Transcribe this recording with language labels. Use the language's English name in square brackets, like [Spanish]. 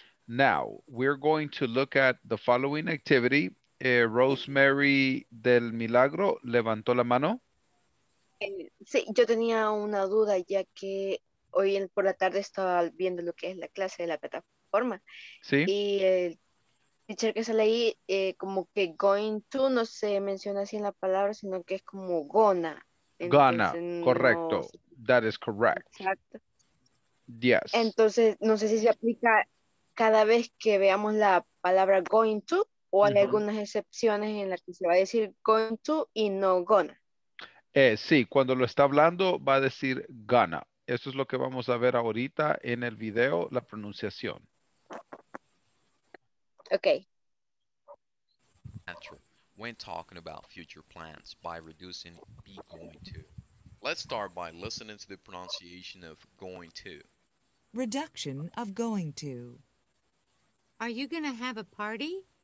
[English] Now, we're going to look at the following activity. [Spanish] Rosemary del Milagro levantó la mano. Sí, yo tenía una duda ya que hoy por la tarde estaba viendo lo que es la clase de la plataforma. Sí. Y el teacher que sale ahí, como que going to no se menciona así en la palabra, sino que es como gonna. [English] Gonna, [Spanish] correcto. [English] No, that is correct. [Spanish] Exacto. [English] Yes. [Spanish] Entonces, no sé si se aplica cada vez que veamos la palabra going to, o hay algunas excepciones en las que se va a decir going to y no gonna. Sí, cuando lo está hablando, va a decir gonna. Eso es lo que vamos a ver ahorita en el video, la pronunciación. [English] Okay. Natural. When talking about future plans by reducing be going to. Let's start by listening to the pronunciation of going to. Reduction of going to. Are you going to have a party?